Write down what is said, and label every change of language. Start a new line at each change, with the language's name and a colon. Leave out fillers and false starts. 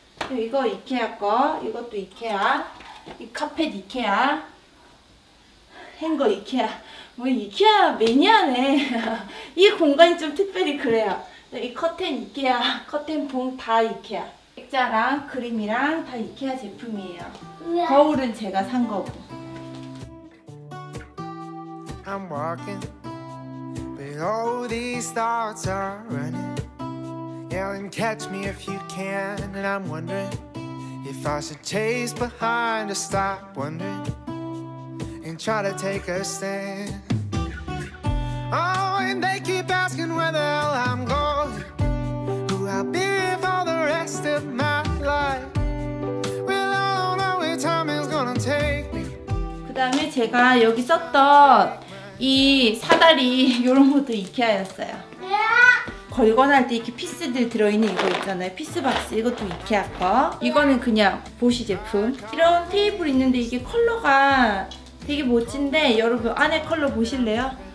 Korean: 이거 이케아 거, 이것도 이케아, 이 카펫 이케아, 행거 이케아. 뭐 이케아 매니아네. 이 공간이 좀 특별히 그래요. 이 커튼 이케아, 커튼 봉 다 이케아. 액자랑 그림이랑 다 이케아 제품이에요. 거울은 제가 산 거고.
English: I'm walking, but all these thoughts are running. Yelling, catch me if you can. And I'm wondering if I should chase behind or stop wondering and try to take a stand. Oh, and they keep asking where the hell I'm going. I'll be for the rest of my life. Well, I don't know where time is gonna take me.
Korean: 그 다음에 제가 여기 썼던 이 사다리 이런 것도 이케아였어요. 걸거나 할 때 이렇게 피스들 들어있는 이거 있잖아요. 피스박스 이것도 이케아 거. 이거는 그냥 보시 제품. 이런 테이블 있는데 이게 컬러가 되게 멋진데 여러분 안에 컬러 보실래요?